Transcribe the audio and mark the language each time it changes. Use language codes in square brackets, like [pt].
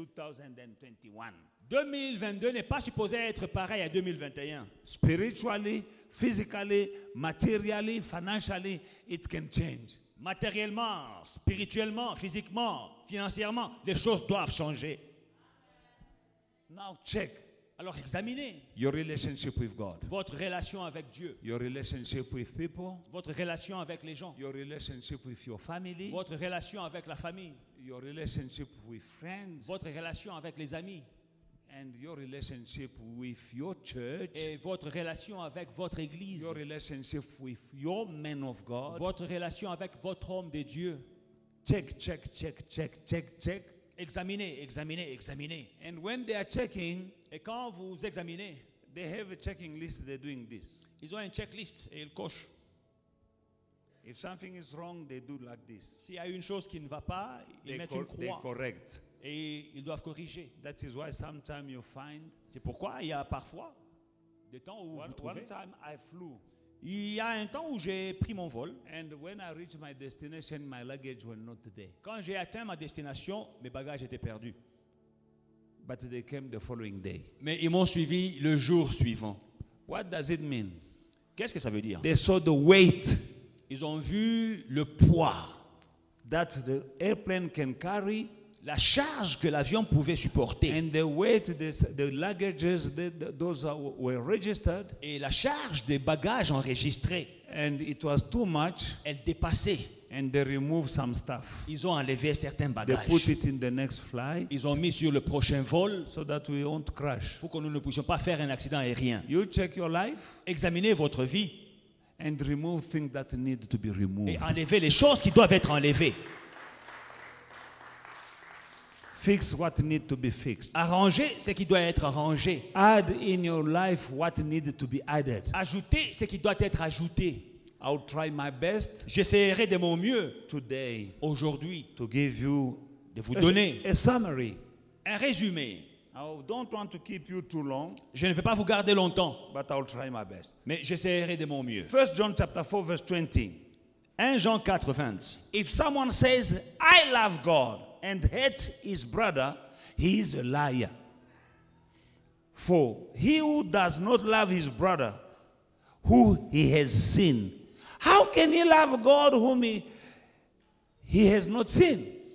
[en] Is not supposed to be the same as 2021. 2022 [fr] n'est pas supposé être pareil à 2021. [en] Spiritually, physically, materially, financially, it can change. [fr] Matériellement, spirituellement, physiquement, financièrement, les choses doivent changer. [en] Now check. [fr] Alors examinez [en] your relationship with God. [fr] Votre relation avec Dieu. [en] Your relationship with people. [fr] Votre relation avec les gens. [en] Your relationship with your family. [fr] Votre relation avec la famille. [en] Your relationship with friends. [fr] Votre relation avec les amis. [en] And your relationship with your church. [fr] Et votre relation avec votre église. [en] Your relationship with your man of God. [fr] Votre relation avec votre homme de Dieu. [en] Check, check, check, check, check, check. [fr] Examinez, examinez, examinez. [en] And when they are checking, [fr] et quand vous examinez, [en] they have a checking list. They're doing this. [fr] Ils ont une checklist et ils cochent. [en] If something is wrong, they do like this. [fr] S'il y a une chose qui ne va pas, ils [en] they [fr] mettent une croix. [en] They correct. [fr] Et ils doivent corriger. [en] That is why sometimes you find. [fr] C'est pourquoi il y a parfois des temps où vous trouvez. [en] One time I flew. [fr] Il y a un temps où j'ai pris mon vol. [en] And when I reached my destination, my luggage was not there. [fr] Quand j'ai atteint ma destination, mes bagages étaient perdus. [en] But they came the following day. [fr] Mais ils m'ont suivi le jour suivant. [en] What does it mean? [fr] Qu'est-ce que ça veut dire? [en] They saw the weight. [fr] Ils ont vu le poids. [en] That the airplane can carry. [fr] La charge que l'avion pouvait supporter. [en] And the weight, the luggages, those were registered. [fr] Et la charge des bagages enregistrés. [en] And it was too much. [fr] Elle dépassait. [en] And they removed some stuff. [fr] Ils ont enlevé certains bagages. [en] They put it in the next flight. [fr] Ils ont mis sur le prochain vol. [en] So that we won't crash. [fr] Pour que nous ne puissions pas faire un accident aérien. [en] You check your life. [fr] Examinez votre vie. [en] And remove things that need to be removed. [fr] Et enlevez les choses qui doivent être enlevées. [en] Fix what need to be fixed. [fr] Arrangez ce qui doit être arrangé. [en] Add in your life what need to be added. [fr] Ajoutez ce qui doit être ajouté. [en] I'll try my best. [fr] J'essaierai de mon mieux. [en] Today. [fr] Aujourd'hui. [en] To give you. [fr] De vous donner. [en] A summary. [fr] Un résumé. [en] I don't want to keep you too long. [fr] Je ne vais pas vous garder longtemps. [en] But I'll try my best. [fr] Mais j'essaierai de mon mieux. [en] 1 John chapter 4 verse 20. [fr] 1 Jean 4 20. [en] If someone says I love God and hate his brother, he is a liar. For he who does not love his brother who he has seen, how can he love God whom he has not seen?